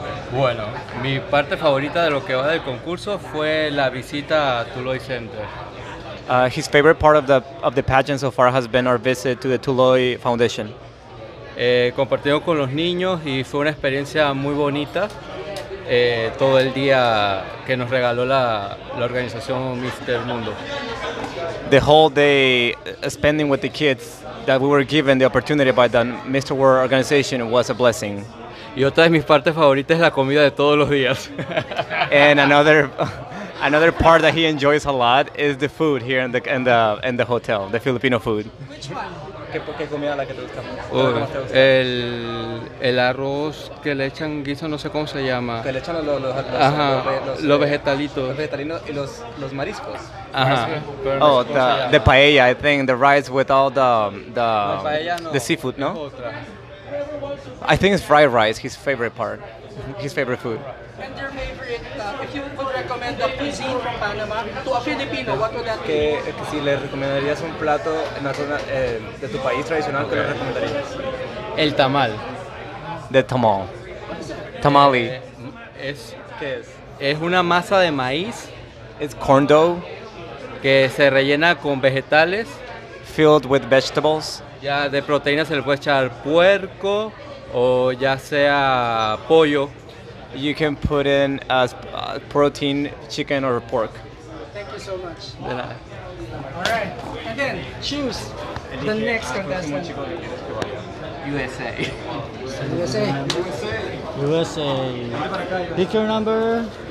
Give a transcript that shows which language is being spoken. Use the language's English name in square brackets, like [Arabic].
[Spanish] Bueno, mi parte favorita de lo que va del concurso fue la visita a Tuloy Center. [English] His favorite part of the pageant so far has been our visit to the Tuloy Foundation. [Spanish] Compartiendo con los niños y fue una experiencia muy bonita todo el día que nos regaló la organización Mr. Mundo. [English] The whole day spending with the kids that we were given the opportunity by the Mr. World organization was a blessing. [Spanish] Y otra de mis partes favoritas es la comida de todos los días. [English] And another part that he enjoys a lot is the food here in the hotel, the Filipino food. Which one? [Spanish] ¿Qué comida la que te gusta más? El arroz que le echan guiso, no sé cómo se llama. Que le echan los vegetalitos. Los vegetalitos y los mariscos. Ajá. [English] Oh, the paella, I think the rice with all the seafood, no? I think it's fried rice, his favorite part, his favorite food. And your favorite, if you would recommend a cuisine from Panama to a Filipino, what would that be? [Spanish] Que si le recomendarías un plato en la zona, de tu país tradicional, okay. ¿Qué le recomendarías? El tamal. [English] The tamal. Tamale. [Spanish] ¿Qué es? Es una masa de maíz. [English] It's corn dough. [Spanish] Que se rellena con vegetales. [English] Filled with vegetables. [Spanish] Ya de proteína se le puede echar puerco o ya sea pollo. [English] You can put in as protein, chicken or pork. Thank you so much. [Spanish] De nada. [English] All right, and then choose the next contestant. USA. USA. USA. Pick your number.